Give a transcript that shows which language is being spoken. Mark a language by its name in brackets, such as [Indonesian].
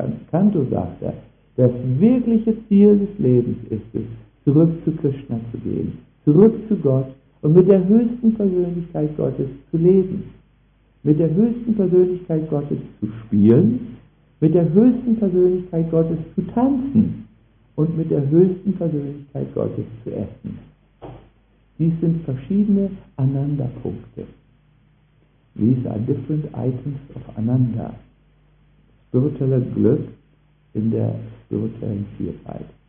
[German] Kanto sagt er, das wirkliche Ziel des Lebens ist es, zurück zu Krishna zu gehen, zurück zu Gott und mit der höchsten Persönlichkeit Gottes zu leben, mit der höchsten Persönlichkeit Gottes zu spielen, mit der höchsten Persönlichkeit Gottes zu tanzen und mit der höchsten Persönlichkeit Gottes zu essen. Dies sind verschiedene Ananda-Punkte. [English] These are different items of Ananda. [German] Spiritueller Glück in der spirituellen Vielfalt.